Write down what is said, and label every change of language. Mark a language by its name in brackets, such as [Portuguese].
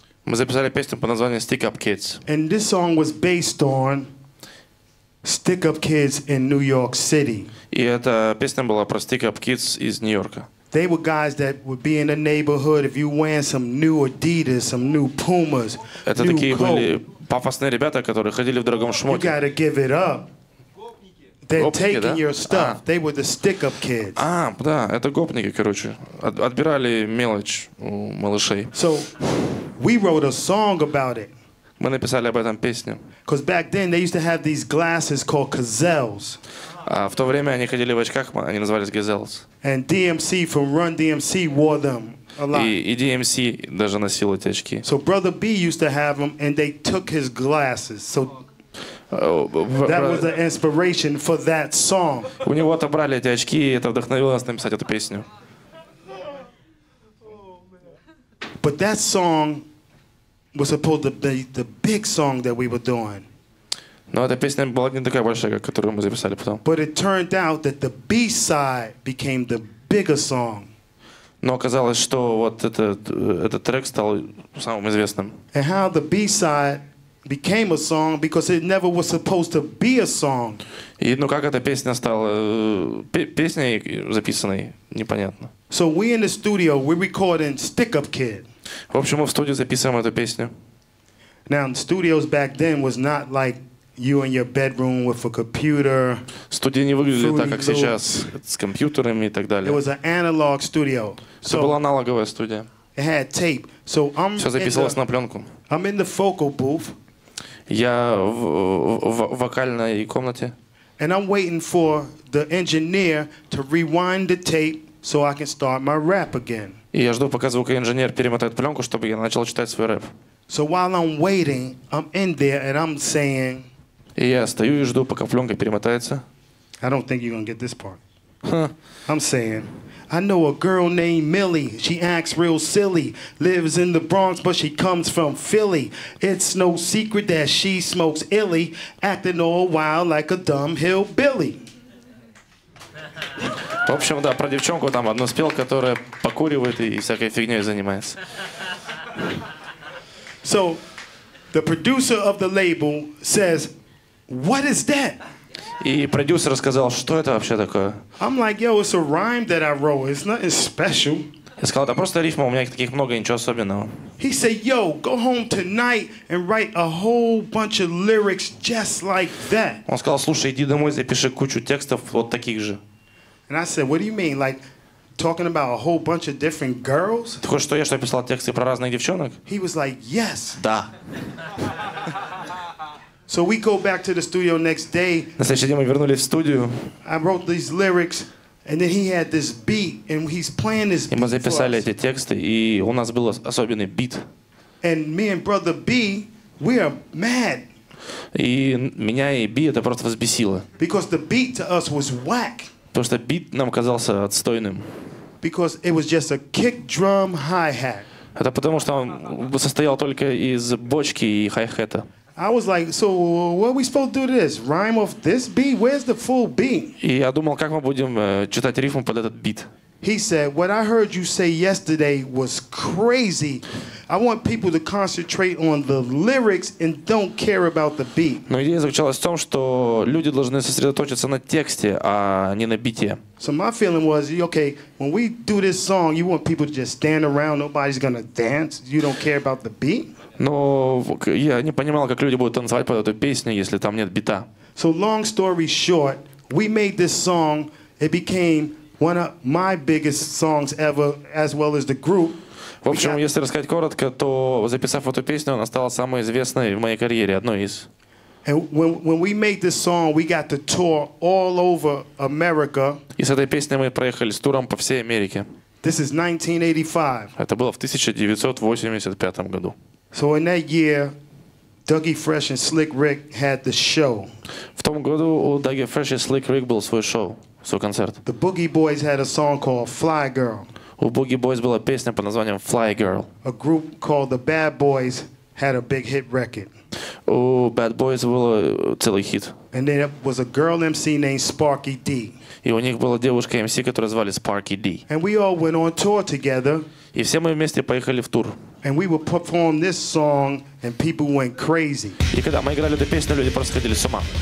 [Russian] Мы записали песню под названием Stick Up Kids. [English] And this song was based on Stick Up Kids in New York City. [Russian] И эта песня была про Stick Up Kids из Нью-Йорка. [English] They were guys that would be in the neighborhood if you wearing some new Adidas, some new Pumas. [Russian] Это такие были пафосные ребята, которые ходили в дорогом шмоте. [English] You gotta give it up. They're [Russian] гопники, [English] taking your stuff. А. They were the stick-up kids. [Russian] А, да, это гопники, короче. Отбирали мелочь у малышей. [English] So, we wrote a song about it. [Russian] Мы написали об этом песню. [English] Because back then they used to have these glasses called gazelles. [Russian] А в то время они ходили в очках, они назывались gazelles. [English] And DMC from Run DMC wore them a lot. [Russian] И DMC даже носил эти очки. [English] So, Brother B used to have them and they took his glasses. So, that was the inspiration for that song. [Russian] У него отобрали эти очки, и это вдохновило нас написать эту песню. [English] But that song was supposed to be the big song that we were doing. [Russian] Но эта песня была не такая большая, которую мы записали потом. [English] But it turned out that the B-side became the bigger song. [Russian] Но оказалось, что вот этот трек стал самым известным. [English] And how the B-side became a song because it never was supposed to be a song. [Russian] И ну как эта песня стала песней записанной, непонятно. [English] So we in the studio, we recording Stick Up Kid. [Russian] В общем, мы в студии записываем эту песню. [English] Now the studios back then was not like you in your bedroom with a computer. [Russian] Студия не выглядела так, как сейчас, с компьютерами и так далее. [English] It was an analog studio. [Russian] Это была аналоговая студия. [English] It had tape. So I'm [Russian] все записывалось на пленку. [English] I'm in the focal booth. [Russian] Я в вокальной комнате. [English] And I'm waiting for the engineer to rewind the tape so I can start my rap again. [Russian] И я жду, пока звукоинженер перемотает пленку, чтобы я начал читать свой рэп. [English] So while I'm waiting, I'm in there and I'm saying. [Russian] И я стою и жду, пока пленка перемотается. [English] I don't think you're gonna get this part. Huh. I'm saying, I know a girl named Millie. She acts real silly. Lives in the Bronx, but she comes from Philly. It's no secret that she smokes illy. Acting all wild like a dumb hillbilly. [Russian] В общем, да, про девчонку там одну спел, которая покуривает и всякой фигней занимается. [English] So, the producer of the label says, "What is that?" [Russian] И продюсер сказал, что это вообще такое? [English] I'm like, yo, it's a rhyme that I wrote. It's nothing special. [Russian] Я сказал, да просто рифма, у меня их таких много, ничего особенного. [English] He said, yo, go home tonight and write a whole bunch of lyrics just like that. [Russian] Он сказал, слушай, иди домой, запиши кучу текстов вот таких же. [English] And I said, what do you mean? Like, talking about a whole bunch of different girls? [Russian] Ты хочешь, что я писал тексты про разных девчонок? [English] He was like, yes. [Russian] Да. [English] So we go back to the studio next day. [Russian] На следующий день мы вернулись в студию. [English] I wrote these lyrics, and then he had this beat, and he's playing this beat. [Russian] И мы записали эти тексты, и у нас был особенный бит. [English] And me and brother B, we are mad. [Russian] И меня и Би это просто взбесило. [English] Because the beat to us was whack. [Russian] Потому что бит нам казался отстойным. [English] Because it was just a kick drum hi-hat. [Russian] Это потому что он состоял только из бочки и хай-хета. [English] I was like, so what are we supposed to do to this? Rhyme off this beat? Where's the full beat? [Russian] И я думал, как мы будем читать рифму под этот бит. [English] He said, what I heard you say yesterday was crazy. I want people to concentrate on the lyrics and don't care about the beat. [Russian] Но идея заключалась в том, что люди должны сосредоточиться на тексте, а не на бите. [English] So my feeling was, okay, when we do this song, you want people to just stand around, nobody's gonna dance, you don't care about the beat? [Russian] Но я не понимал, как люди будут танцевать под эту песню, если там нет бита. [English] So long story short, we made this song, it became one of my biggest songs ever, as well as the group. [Russian] В общем, если рассказать коротко, то записав эту песню, она стала самой известной в моей карьере, одной из. [English] And when we made this song, we got to tour all over America. [Russian] И с этой песней мы проехали с туром по всей Америке. [English] This is 1985. [Russian] Это было в 1985 году. [English] So in that year, Dougie Fresh and Slick Rick had the show. [Russian] В том году у Dougie Fresh и Slick Rick был свой шоу, свой концерт. [English] The Boogie Boys had a song called Fly Girl. [Russian] У Boogie Boys была песня под названием Fly Girl. [English] A group called the Bad Boys had a big hit record. [Russian] У Bad Boys был целый хит. [English] And then it was a girl MC named Sparky D. [Russian] И у них была девушка MC, которую звали Sparky D. [English] And we all went on tour together. [Russian] И все мы вместе поехали в тур. [English] And we would perform this song and people went crazy. [Russian] И когда мы играли эту песню, люди просто сходили с ума.